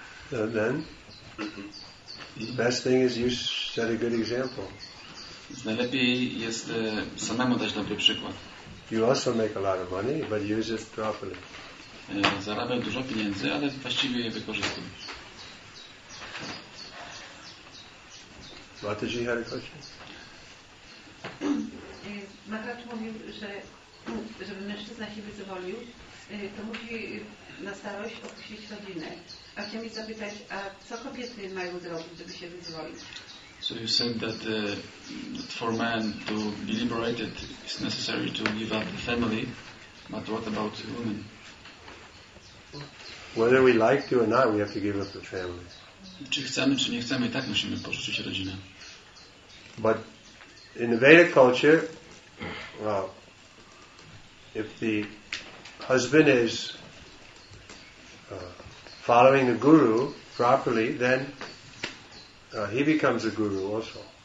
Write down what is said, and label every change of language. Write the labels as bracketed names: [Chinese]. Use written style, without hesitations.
[English] So then, the best thing is you set a good example. [Polish] Najlepiej jest samemu dać dobry przykład. [English] You also make a lot of money, but use it properly. [Polish] Zarabiam dużo pieniędzy, ale właściwie je wykorzystuję. [English] Mataji had a question. [Polish] Maharaj mówił, że żeby mężczyzna się wyzwolił, to musi na starość opuścić rodzinę. A chciałem zapytać, a co kobiety mają zrobić, żeby się wyzwolić? [English] So you said that for men to be liberated is necessary to give up the family, but what about women? Whether we like to or not, we have to give up the family. [Polish] Czy chcemy, czy nie chcemy, tak musimy porzucić rodzinę. [English] But in the Vedic culture, well, if the husband is following the guru properly, then he becomes a guru also.